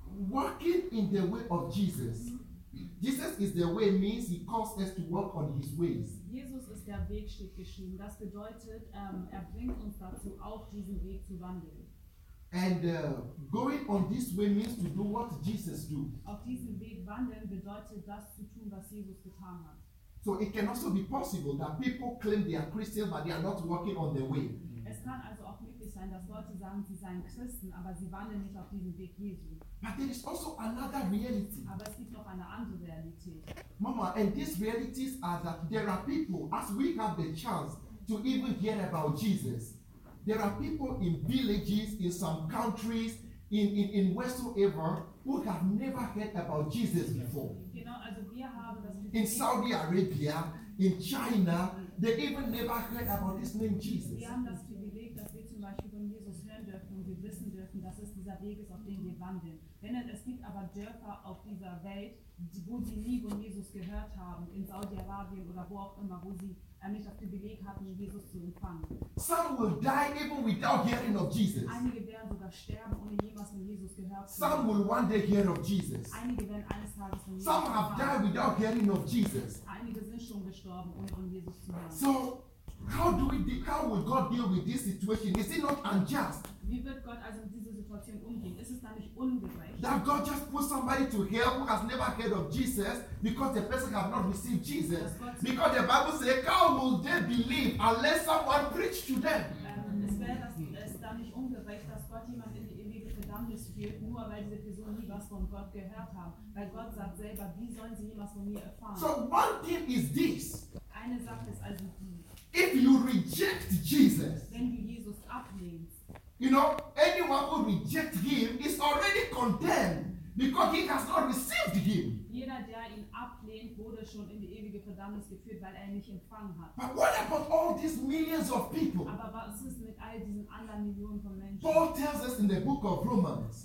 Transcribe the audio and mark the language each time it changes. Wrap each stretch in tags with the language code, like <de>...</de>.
<en>Walking in the way of Jesus, Jesus is the way means he calls us to walk on his ways.</en> <de>Jesus ist der Weg, steht geschrieben. Das bedeutet, er bringt uns dazu, auf diesen Weg zu wandeln.</de> <en>And going on this way means to do what Jesus do.</en> <de>Auf diesem Weg wandeln bedeutet, das zu tun, was Jesus getan hat.</de> <en>So it can also be possible that people claim they are Christian, but they are not working on the way.</en> <de>Es kann also auch möglich sein, dass Leute sagen, sie seien Christen, aber sie wandeln nicht auf diesem Weg Jesu.</de> <en>But there is also another reality.</en> <de>Aber es gibt noch eine andere Realität.</de> <en>Mama, and these realities are that there are people, as we have the chance to even hear about Jesus, there are people in villages, in some countries, in whatsoever, who have never heard about Jesus before.</en> <de>Genau, also wir haben das</de> <en>in Saudi Arabia, in China, they even never heard about this name Jesus.</en> <de>Wir haben das Privileg, dass wir zum Beispiel von Jesus hören dürfen und wir wissen dürfen, dass es dieser Weg ist, auf dem wir wandeln. Wenn es gibt aber Dörfer auf dieser Welt, wo sie nie von Jesus gehört haben, in Saudi Arabien oder wo auch immer, wo sie nicht auf dem Beleg hatten, Jesus zu empfangen.</de> <en>Some will die even without hearing of Jesus.</en> <de>Einige werden sogar sterben, ohne jemals von Jesus gehört zu haben.</de> <en>Some will one day hear of Jesus.</en> <de>Einige werden eines Tages von Jesus empfangen.</de> <en>Some have died without hearing of Jesus.</en> <de>Einige sind schon gestorben, ohne von Jesus zu hören.</de> <en>So, how will God deal with this situation? Is it not unjust?</en> <de>Wie wird Gott also mit dieser Situation umgehen? Ist es da nicht ungerecht?</de> <en>That God just put somebody to hell who has never heard of Jesus because the person has not received Jesus. Because the Bible says, how will they believe unless someone preached to them?</en> <de>Es ist da nicht ungerecht, dass Gott jemand in die ewige Verdammnis führt, nur weil diese Person nie was von Gott gehört hat. Weil Gott sagt selber, wie sollen sie jemals von mir erfahren?</de> <en>So one thing is this.</en> <de>Eine Sache ist also die.</de> <en>If you reject Jesus,</en> <de>wenn du Jesus ablehnst,</de> <en>you know, anyone who rejects him is already condemned because he has not received him.</en> <de>Jeder, der ihn ablehnt, wurde schon in die ewige Verdammnis geführt, weil nicht empfangen hat.</de> <en>But what about all these millions of people?</en> <de>Aber was ist mit all diesen anderen Millionen von Menschen?</de> <en>Paul tells us in the book of Romans,</en>